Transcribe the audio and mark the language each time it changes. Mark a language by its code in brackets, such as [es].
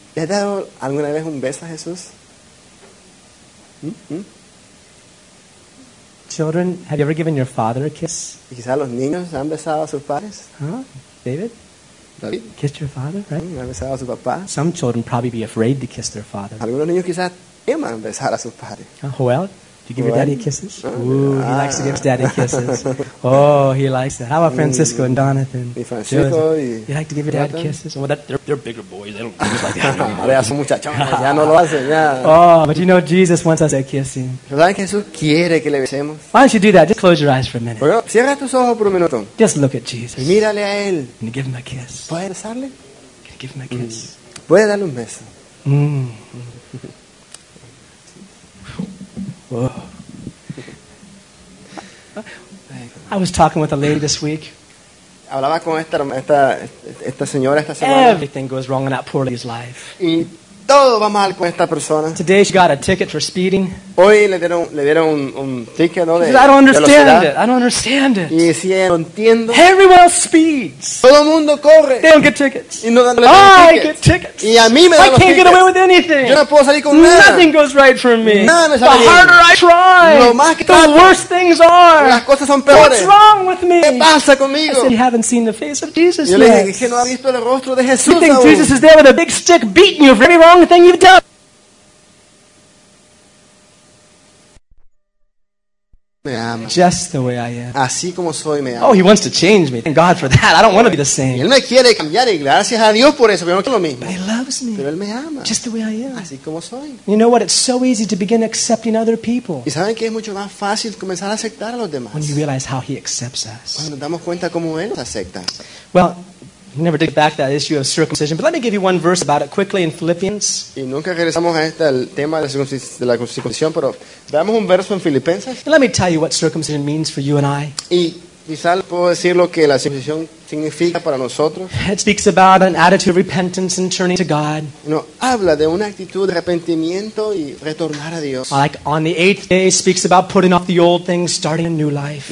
[es] ¿Le has dado alguna vez un beso a Jesús? [en] Children, have you ever given your father a kiss? [es] ¿Quizá los niños han besado a sus padres? [en] Huh? David? David. Kiss your father, right? [es] Mm, besar a su papá. [en] Some children probably be afraid to kiss their father. [es] Algunos niños quizás teman besar a su padre. [en] Joel, do you give your daddy kisses? Ooh, he likes to give his daddy kisses. Oh, he likes that. How about Francisco and Donathan? [es] Y Francisco y [en] you like to give your dad kisses? Well, that, they're bigger boys. They don't kiss like that. [es] Ahora son muchachones, ya no lo hacen, ya. [en] Oh, but you know Jesus wants us to kiss him. [es] ¿Verdad que Jesús quiere que le besemos? [en] Why don't you do that? Just close your eyes for a minute. [es] Bueno, cierra tus ojos por un minuto. [en] Just look at Jesus. [es] Y mírale a él. [en] Can you give him a kiss? [es] ¿Puedes besarle? [en] Can you give him a kiss? [es] Mm. ¿Puedes darle un beso? Mmm. Whoa. [en] I was talking with a lady this week. [es] Hablaba con esta señora esta semana. [en] Everything goes wrong in that poor lady's life. [es] Y todo va mal con esta persona. [en] Today she got a ticket for speeding. [es] Hoy le dieron un ticket, ¿no? [en] She says, I don't understand it. I don't understand it. [es] Y si ella no entiendo. [en] Everyone else speeds. [es] Todo mundo corre. [en] They don't get tickets. [es] Y no dan los tickets. Y a mí me dan [en] I can't get away with anything. [es] Yo no puedo salir con [en] nothing [es] nada. [en] Nothing goes right for me. [es] Nada me sale [en] the harder [es] bien. [en] I try, [es] lo más que [en] the [es] trato, [en] worse things are. [es] Las cosas son peores. [en] What's wrong with me? [es] ¿Qué pasa conmigo? [en] I said, you haven't seen the face of Jesus [es] yo [en] yet. [es] Le dije, no ha visto el rostro de Jesús. [en] You think [es] aún. [en] Jesus is there with a big stick beating you for every wrong thing you've done. Just the way I am. [es] Así como soy, me ama. [en] Oh, he wants to change me. Thank God for that. I don't want to be the same. [es] Y él me quiere cambiar, y gracias a Dios por eso, pero no quiero lo mismo. [en] But he loves me. [es] Pero él me ama. [en] Just the way I am. [es] Así como soy. [en] You know what? It's so easy to begin accepting other people. [es] ¿Y saben que es mucho más fácil comenzar a aceptar a los demás? [en] When you realize how he accepts us. [es] Cuando nos damos cuenta cómo él nos acepta. [en] Well, we never take back that issue of circumcision, but let me give you one verse about it quickly in Philippians. [es] Y nunca regresamos a este el tema de la circuncisión, pero veamos un verso en Filipenses. [en] And let me tell you what circumcision means for you and I. [es] Y quizás puedo decir lo que la circuncisión significa para nosotros. [en] It speaks about an attitude of repentance and turning to God. [es] No, habla de una actitud de arrepentimiento y retornar a Dios. [en] Like on the eighth day, speaks about putting off the old things, starting a new life.